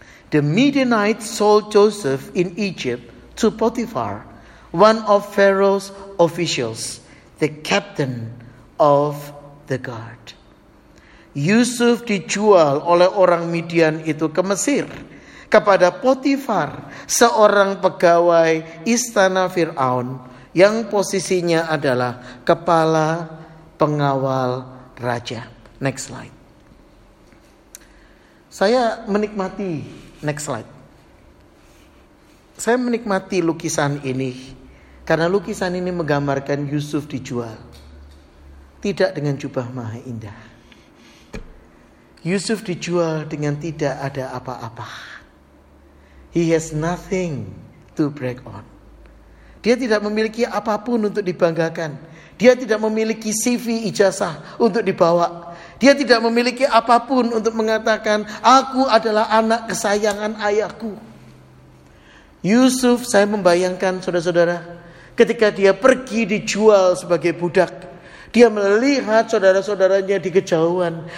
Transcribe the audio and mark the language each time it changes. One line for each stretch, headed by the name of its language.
English: The Midianites sold Joseph in Egypt to Potiphar, one of Pharaoh's officials, the captain of the guard.
Indonesian: Yusuf dijual oleh orang Midian itu ke Mesir kepada Potifar, seorang pegawai istana Firaun yang posisinya adalah kepala pengawal raja.
English: Next slide.
Indonesian: Saya menikmati
English: next slide.
Indonesian: Saya menikmati lukisan ini karena lukisan ini menggambarkan Yusuf dijual tidak dengan jubah maha indah. Yusuf dijual dengan tidak ada apa-apa.
English: He has nothing to brag on.
Indonesian: Dia tidak memiliki apapun untuk dibanggakan. Dia tidak memiliki CV ijazah untuk dibawa. Dia tidak memiliki apapun untuk mengatakan, aku adalah anak kesayangan ayahku. Yusuf, saya membayangkan saudara-saudara, ketika dia pergi dijual sebagai budak, dia melihat saudara-saudaranya di kejauhan.